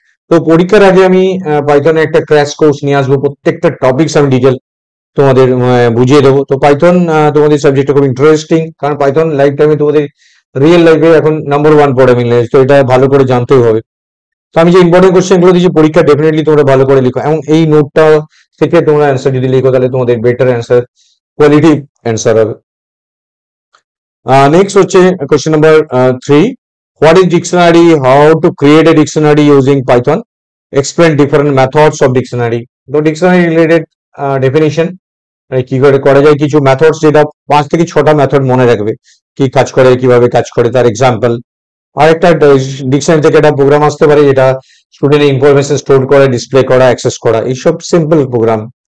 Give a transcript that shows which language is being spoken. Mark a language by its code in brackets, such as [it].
[bn] তো পরীক্ষার আগে আমি পাইথন একটা ক্র্যাশ কোর্স নিয়ে আসবো প্রত্যেকটা টপিকস আমি ডিটেল তোমাদের বুঝিয়ে দেবো তো পাইথন তোমাদের সাবজেক্ট খুব ইন্টারেস্টিং কারণ পাইথন লাইফ টাইমে তোমাদের রিয়েল লাইফে এখন নাম্বার ওয়ান প্রোগ্রামিং ল্যাঙ্গুয়েজ তো এটা ভালো করে জানতেই হবে তো আমি যে ইম্পর্টেন্ট কোশ্চেনগুলো দিয়েছি পরীক্ষা ডেফিনেটলি তোমরা ভালো করে লিখো এবং এই নোটটা থেকে তোমরা অ্যান্সার যদি লিখো তাহলে তোমাদের বেটার অ্যান্সার কোয়ালিটি অ্যান্সার হবে নেক্সট হচ্ছে question number 3 [en] What is dictionary? How to create a dictionary using Python? Explain different methods of dictionary. So dictionary related definition. [bn] কি করে করা যায় কিছু methods যেটা পাঁচ থেকে ছটা method মনে রাখবে কি কাজ করে কিভাবে কাজ করে তার example. আর একটা dictionary থেকে একটা program আসতে পারে যেটা student information store করে display করে access করা এইসব simple program.